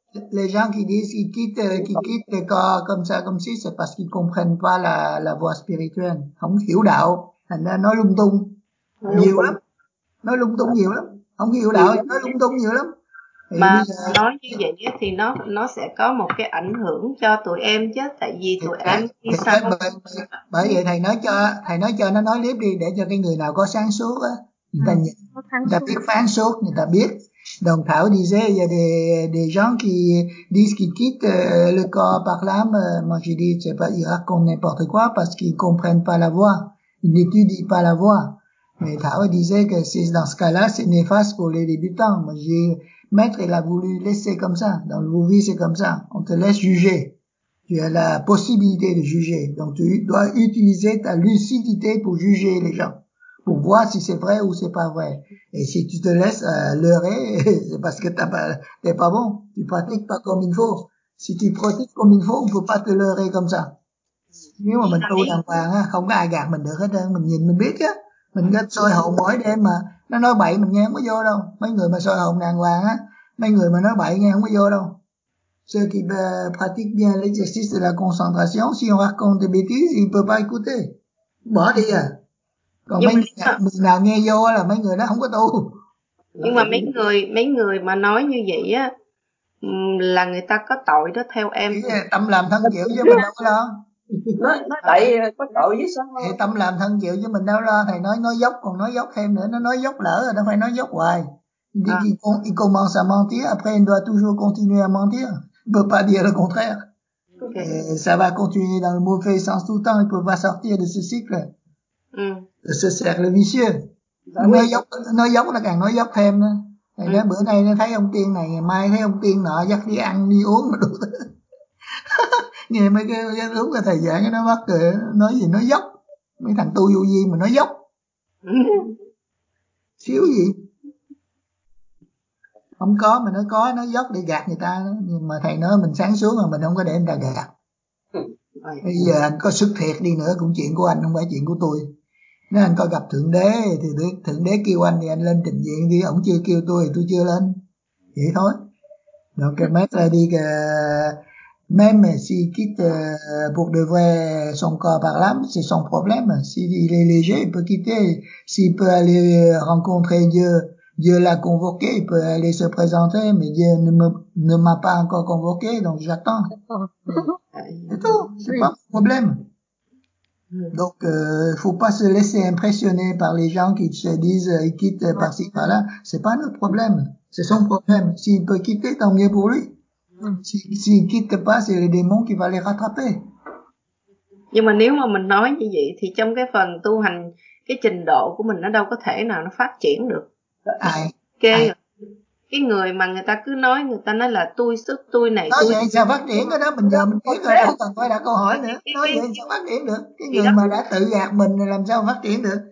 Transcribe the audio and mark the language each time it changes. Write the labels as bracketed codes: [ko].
[fr] Les gens qui disent qu'ils quittent le corps comme ça, comme si, c'est parce qu'ils comprennent pas la voie spirituelle. [vi] Không hiểu đạo, thành ra nói lung tung nhiều lắm. Nói lung tung nhiều lắm. Không hiểu đạo, nói lung tung nhiều lắm. Mà nói như vậy thì nó sẽ có một cái ảnh hưởng cho tụi em chứ. Tại vì tụi em đi sao? Bởi vậy thầy nói cho nó nói tiếp đi, để cho cái người nào có sáng suốt á, người ta biết phán suốt, người ta biết. [fr] Donc Thảo disait, il y a des gens qui disent qu'ils quittent le corps par l'âme. Moi je dis, c'est pas, ils racontent n'importe quoi parce qu'ils comprennent pas la voix, ils n'étudient pas la voix. Mais Thảo disait que c'est, dans ce cas-là, c'est néfaste pour les débutants. Moi je dis, maître, il a voulu laisser comme ça. Dans le Vouvi, c'est comme ça. On te laisse juger. Tu as la possibilité de juger. Donc tu dois utiliser ta lucidité pour juger les gens, pour voir si c'est vrai ou c'est pas vrai. Et si tu te laisses leurrer, c'est parce que t'es pas bon. Tu pratiques pas comme il faut. Si tu pratiques comme il faut, on peut pas te leurrer comme ça. [vi] Nếu mà mình tu đàng hoàng, không có ai gạt mình được hết. Mình nhìn mình biết chứ. Mình có soi hồn mỗi đêm mà. Nó nói bậy mình nghe không có vô đâu. Mấy người mà soi hồn đàng hoàng, mấy người mà nói bậy nghe không có vô đâu. [fr] Ceux qui pratiquent bien l'exercice de la concentration, si on raconte des bêtises, ils peuvent pas écouter. [vi] Bỏ đi à. Còn nhưng mấy người nào nghe vô là mấy người đó không có tu. Nhưng mà mấy người mà nói như vậy á, là người ta có tội đó theo em. Tâm làm thân chịu chứ mình đâu có lo. Nó tại có tội với sao thì tâm làm thân chịu chứ mình đâu lo. Thầy nói dốc, còn nói dốc thêm nữa. Nó nói dốc lỡ rồi, nó phải nói dốc hoài. [fr] Dès qu'il commence à mentir, après il doit toujours continuer à mentir. Il ne peut pas dire le contraire. Et ça va continuer dans le mauvais sens tout le temps. Il ne peut pas sortir de ce cycle. Ừ. Ce cercle vicieux. [vi] Nói dốc là càng nói dốc thêm đó. Thì nói bữa nay nó thấy ông tiên này, ngày mai thấy ông tiên nọ, dắt đi ăn đi uống mà đúng. Ngày mấy cái đúng là thầy giảng nó mắc cười, nói gì nói dốc. Mấy thằng tu vô gì mà nói dốc. Xíu gì. Không có mà nó có nói dốc để gạt người ta, nhưng mà thầy nói mình sáng xuống mà mình không có để người ta gạt. Bây giờ anh có sức thiệt đi nữa cũng chuyện của anh, không phải chuyện của tôi. Nếu anh có gặp Thượng Đế thì Thượng Đế kêu anh thì anh lên trình diện đi, ổng chưa kêu tôi thì tôi chưa lên. Vậy thôi. [fr] Donc, maître a dit que même s'il quitte pour de vrai son corps par l'âme, c'est son problème. S'il est léger, il peut quitter. S'il peut aller rencontrer Dieu, Dieu l'a convoqué, il peut aller se présenter, mais Dieu ne m'a pas encore convoqué, donc j'attends. C'est tout, c'est pas mon problème. Donc, faut pas se laisser impressionner par les gens qui se disent, ils quittent par-ci, par-là. C'est pas notre problème. C'est son problème. S'il peut quitter, tant mieux pour lui. S'il quitte pas, c'est le démon qui va les rattraper. [vi] Nhưng mà nếu mà mình nói như vậy, thì trong cái phần tu hành, cái trình độ của mình nó đâu có thể nào nó phát triển được. Ai? Okay. Ai? Cái người mà người ta cứ nói, người ta nói là tôi sức, tôi này, nói vậy sao phát triển cái đó, mình giờ mình biết rồi, không cần phải đặt câu hỏi nữa. Nói vậy sao phát triển được, cái người mà đã tự gạt mình làm sao phát triển được.